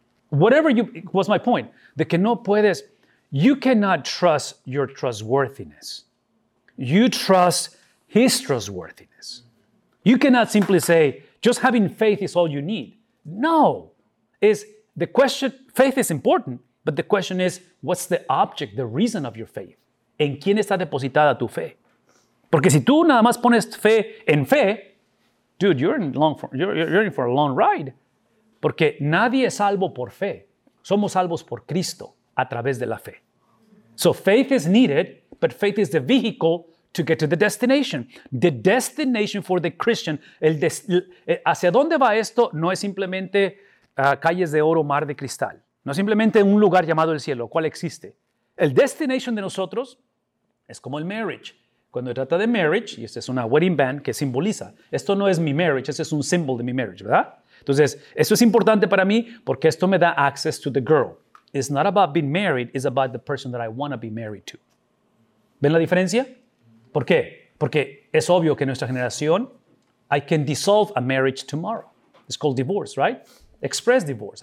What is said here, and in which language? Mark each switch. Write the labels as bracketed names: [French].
[English] Whatever you, what's my point? [Spanish] De que no puedes, [English] you cannot trust your trustworthiness. You trust his trustworthiness. You cannot simply say, just having faith is all you need. No, is the question, faith is important, but the question is, what's the object, the reason of your faith? [Spanish] ¿En quién está depositada tu fe? Porque si tú nada más pones fe en fe, dude, [English] you're in for a long ride. [Spanish] Porque nadie es salvo por fe. Somos salvos por Cristo a través de la fe. [English] So faith is needed, but faith is the vehicle to get to the destination. The destination for the Christian. [Spanish] ¿Hacia dónde va esto? No es simplemente calles de oro, mar de cristal. No es simplemente un lugar llamado el cielo, ¿cuál existe? El destination de nosotros es como el marriage. Cuando se trata de marriage, y esta es una wedding band que simboliza, esto no es mi marriage, este es un símbolo de mi marriage, ¿verdad? Entonces, esto es importante para mí porque esto me da [English] access to the girl. It's not about being married, it's about the person that I want to be married to. [Spanish] ¿Ven la diferencia? ¿Por qué? Porque es obvio que nuestra generación, [English] I can dissolve a marriage tomorrow. It's called divorce, right? Express divorce.